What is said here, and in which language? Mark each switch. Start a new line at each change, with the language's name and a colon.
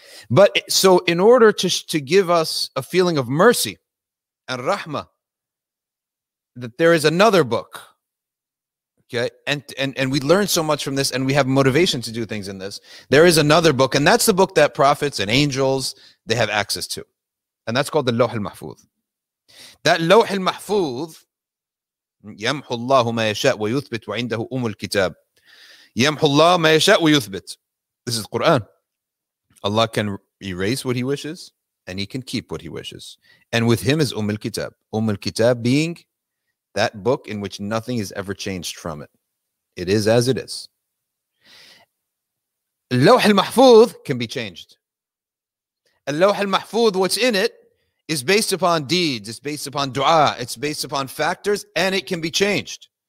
English: But so in order to give us a feeling of mercy and rahmah, that there is another book. Okay, and we learn so much from this, and we have motivation to do things in this. There is another book, and that's the book that prophets and angels, they have access to. And that's called the Lawh al-Mahfuz.
Arabic: That Lawh al-Mahfuz, يَمْحُ اللَّهُ مَا يَشَاءُ وَيُثْبِتُ وَعِنْدَهُ أُمُّ الْكِتَابِ يَمْحُ اللَّهُ مَا يَشَاءُ وَيُثْبِتُ.
English: This is Quran. Allah can erase what He wishes, and He can keep what He wishes. And with Him is Umm al-Kitab. Umm al-Kitab being that book in which nothing is ever changed from it. It is as it is. Al-Lawh al-Mahfuz can be changed. Al-Lawh al-Mahfuz, what's in it, is based upon deeds, it's based upon dua, it's based upon factors, and it can be changed.